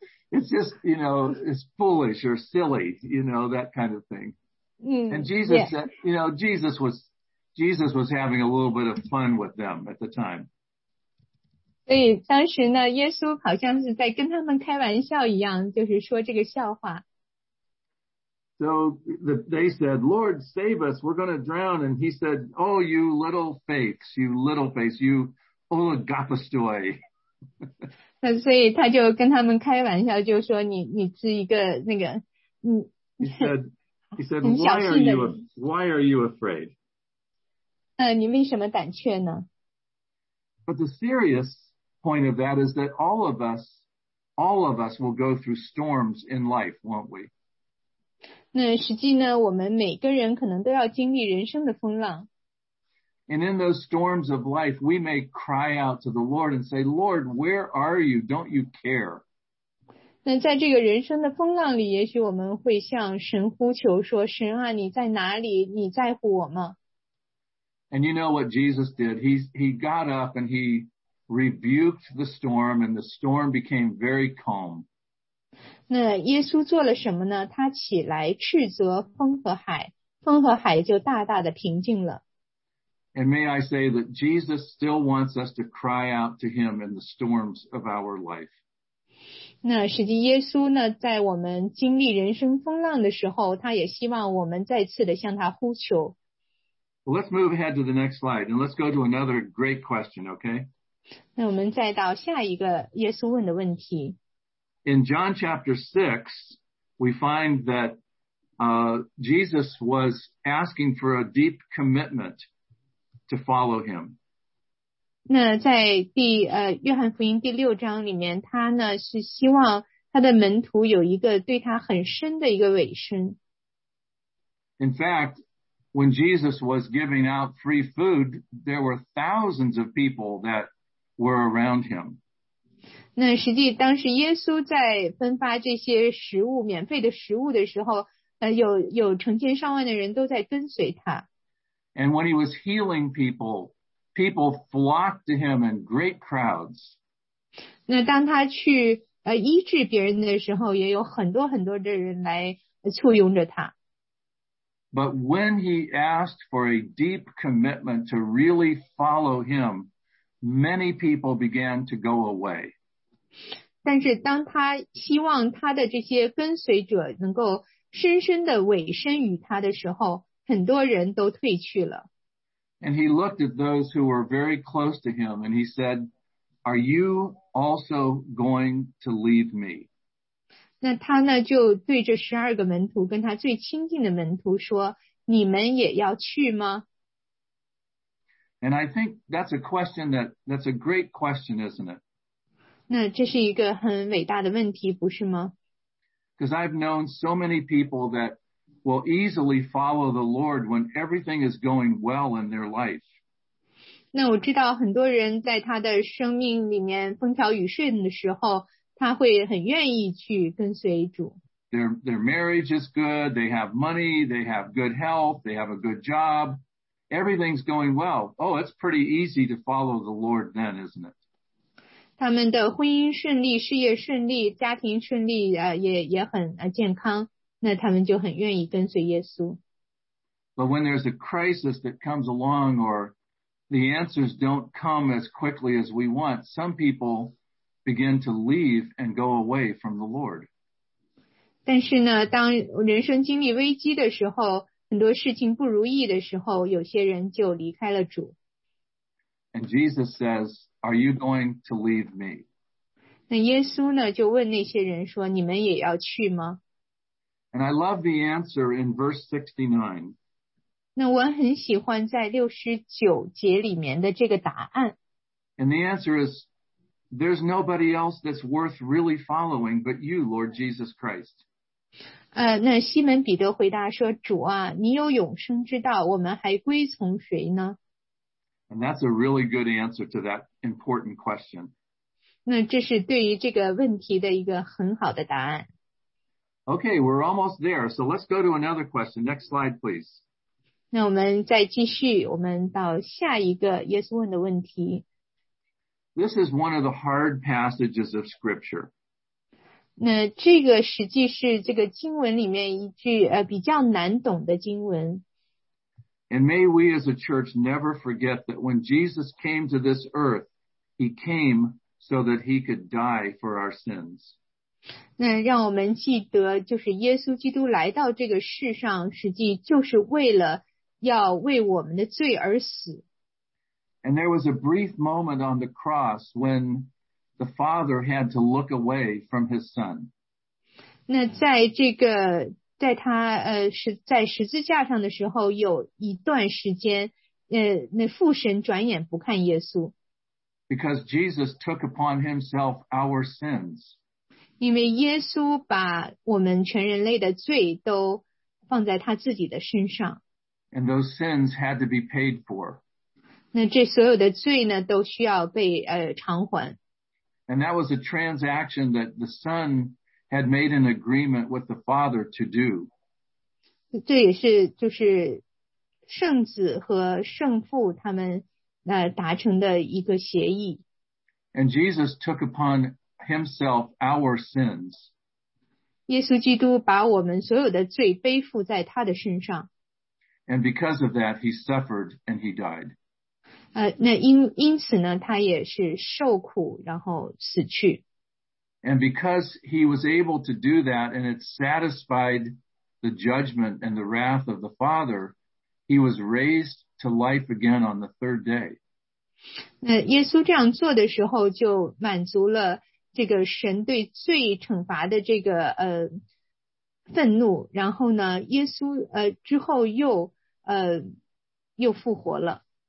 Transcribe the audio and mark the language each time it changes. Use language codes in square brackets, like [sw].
[en] It's just, you know, it's foolish or silly, you know, that kind of thing. And Jesus said, you know, Jesus was having a little bit of fun with them at the time. [zh] 所以当时呢耶稣好像是在跟他们开玩笑一样就是说这个笑话。 [en] So they said, Lord, save us, we're going to drown. And he said, oh, you little faiths, you little faiths, you oligopastoi. [zh] 那所以他就跟他们开玩笑就说你是一个那个。 [en] He said, why are you afraid? [zh] 你为什么胆怯呢? [en] But the serious,point of that is that all of us will go through storms in life, won't we? [zh] 那实际呢我们每个人可能都要经历人生的风浪。 [en] And in those storms of life, we may cry out to the Lord and say, Lord, where are you? Don't you care? [zh] 那在这个人生的风浪里也许我们会向神呼求说神啊你在哪里你在乎我吗 [en] And you know what Jesus did? He got up and he... rebuked the storm and the storm became very calm. [zh] 那耶稣做了什么呢他起来斥责风和海风和海就大大的平静了。 [en] And may I say that Jesus still wants us to cry out to him in the storms of our life. [zh] 那实际耶稣呢在我们经历人生风浪的时候他也希望我们再次的向他呼求。 [en] Well, let's move ahead to the next slide and let's go to another great question, okay? [zh] 那我们再到下一个耶稣问的问题。 [en] In John chapter 6, we find that Jesus was asking for a deep commitment to follow him. [zh] 那在第约翰福音第六章里面，他呢是希望他的门徒有一个对他很深的一个委身。 [en] In fact, when Jesus was giving out free food, there were thousands of people that were around him. [zh] 那实际当时耶稣在分发这些食物，免费的食物的时候，有成千上万的人都在跟随他。 [en] And when he was healing people, people flocked to him in great crowds. [zh] 那当他去医治别人的时候，也有很多很多的人来簇拥着他。 [en] But when he asked for a deep commitment to really follow him, many people began to go away. [zh] 但是当他希望他的这些跟随者能够深深的委身于他的时候，很多人都退去了。 [en] And he looked at those who were very close to him and he said, Are you also going to leave me? [zh] 那他呢就对着十二个门徒跟他最亲近的门徒说，你们也要去吗？ [en] And I think that's a question that's a great question, isn't it? [zh] 那这是一个很伟大的问题，不是吗？ [en] Because I've known so many people that will easily follow the Lord when everything is going well in their life. [zh] 那我知道很多人在他的生命里面风调雨顺的时候，他会很愿意去跟随主。 [en] Their marriage is good, they have money, they have good health, they have a good job. Everything's going well. Oh, it's pretty easy to follow the Lord then, isn't it? [zh] 他们的婚姻顺利，事业顺利，家庭顺利，也很健康。那他们就很愿意跟随耶稣。 [en] But when there's a crisis that comes along or the answers don't come as quickly as we want, some people begin to leave and go away from the Lord. [zh] 但是呢，当人生经历危机的时候，很多事情不如意的时候，有些人就离开了主。 [en] And Jesus says, Are you going to leave me? [zh] 那耶稣呢，就问那些人说，你们也要去吗？ [en] And I love the answer in verse 69. [zh] 那我很喜欢在69节里面的这个答案。 [en] And the answer is, there's nobody else that's worth really following but you, Lord Jesus Christ. [zh] 那西门彼得回答说，主啊，你有永生之道，我们还归从谁呢？ [en] And that's a really good answer to that important question. [zh] 那这是对于这个问题的一个很好的答案。 [en] Okay, we're almost there. So let's go to another question. Next slide, please. [zh] 那我们再继续，我们到下一个耶稣问的问题。 [en] This is one of the hard passages of Scripture. [zh] 那这个实际是这个经文里面一句比较难懂的经文。 [en] And may we as a church never forget that when Jesus came to this earth, he came so that he could die for our sins. [zh] 那让我们记得，就是耶稣基督来到这个世上，实际就是为了要为我们的罪而死。 [en] And there was a brief moment on the cross when the Father had to look away from his Son. [zh] 那在这个在他在十字架上的时候，有一段时间那父神转眼不看耶稣。 [en] Because Jesus took upon himself our sins. [zh] 因为耶稣把我们全人类的罪都放在他自己的身上。 [en] And those sins had to be paid for. [zh] 那这所有的罪呢都需要被偿还。 [en] And that was a transaction that the Son had made an agreement with the Father to do. [zh] 这也是就是圣子和圣父他们达成的一个协议。 [en] And Jesus took upon himself our sins. [zh] 耶稣基督把我们所有的罪背负在他的身上。 [en] And because of that, he suffered and he died. [zh] 那因此呢，他也是受苦，然后死去。 [en] And because he was able to do that and it satisfied the judgment and the wrath of the Father, he was raised to life again on the third day. [zh] 那耶稣这样做的时候就满足了这个神对罪惩罚的这个愤怒，然后呢，耶稣之后又又复活了。